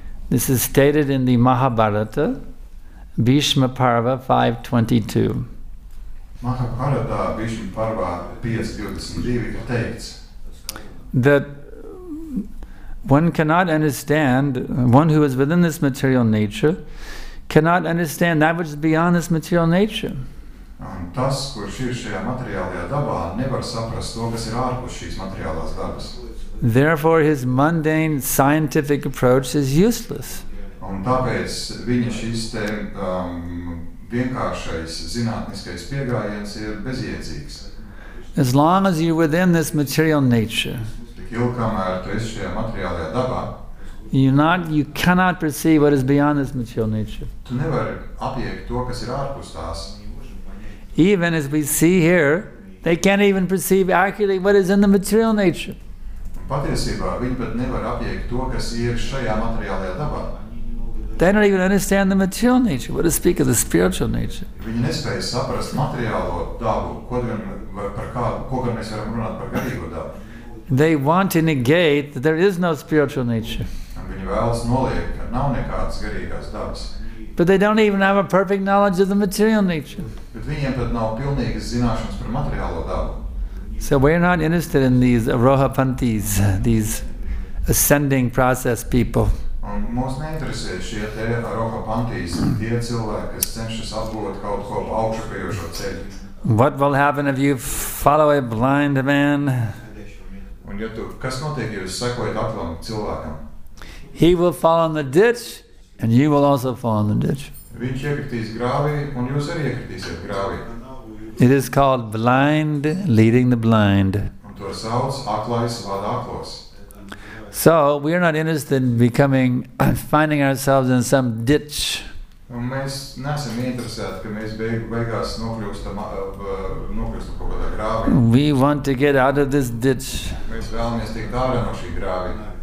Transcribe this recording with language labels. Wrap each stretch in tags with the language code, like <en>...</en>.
<en>This is stated in the Mahabharata, Bhishma Parva 5:22.</en> <lv>Mahabharata Bhishma Parva 5:22 ir teikts.</lv> <en>That one cannot understand, one who is within this material nature, cannot understand that which is beyond this material nature.</en> <lv>Un tas, kurš ir šajā materiālajā dabā, nevar saprast to, kas ir ārpus šīs materiālās dabas.</lv> <en>Therefore, his mundane scientific approach is useless.</en> <lv>Un tāpēc viņa šis te vienkāršais zinātniskais piegājiens ir bezjēdzīgs.</lv> <en>As long as you're within this material nature, you cannot perceive what is beyond this material nature.</en> <lv>Tu nevari apiekt to, kas ir ārpus tās.</lv> <en>Even as we see here, they can't even perceive accurately what is in the material nature.</en> <lv>Patiesībā viņi pat nevar apiekt to, kas ir šajā materiālajā dabā.</lv> <en>They don't even understand the material nature, what to speak of the spiritual nature.</en> <lv>Viņi nespēj saprast materiālo dabu, ko gan mēs varam runāt par garīgo dabu.</lv> <en>They want to negate that there is no spiritual nature.</en> <lv>Viņi vēlas noliekt, ka nav nekādas garīgās dabas.</lv> <en>But they don't even have a perfect knowledge of the material nature.</en> <lv>Bet viņiem pat nav pilnīgas zināšanas par materiālo dabu.</lv> <en>So we're not interested in these arohapantis, these ascending process people.</en> <lv>Un mūs neinteresē šie te arohapantis, tie cilvēki, kas cenšas atgūt kaut ko pa augšupējošo ceļu.</lv> <en>What will happen if you follow a blind man?</en> <lv>Un ja tu, kas notiek, ja jūs sekojat aklam cilvēkam?</lv> <en>He will fall in the ditch, and you will also fall in the ditch.</en> <lv>Viņš iekritīs grāvī, un jūs arī iekritīsiet grāvī.</lv> <en>It is called blind leading the blind.</en> <lv>Un to sauc aklais vada aklos.</lv> <en>So, we are not interested in becoming, finding ourselves in some ditch.</en> <lv>Un mēs neesam interesēti, ka mēs beigās nokļūstam kaut kādā grāvī.</lv> <en>We want to get out of this ditch.</en> <lv>Mēs vēlamies tikt ārā no šī grāvī.</lv>